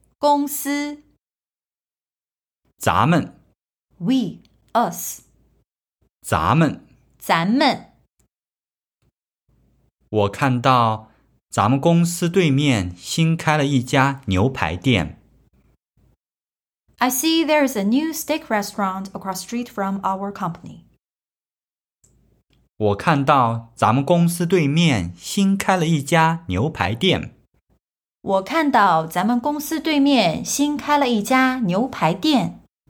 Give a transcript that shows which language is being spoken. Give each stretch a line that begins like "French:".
Chinese: 公司咱们
English: We, us
Chinese: 咱们咱们我看到咱们公司对面新开了一家牛排店
English: I see there is a new steak restaurant across street from our company
Chinese: 我看到咱们公司对面新开了一家牛排店。我看到咱们公司对面新开了一家牛排店。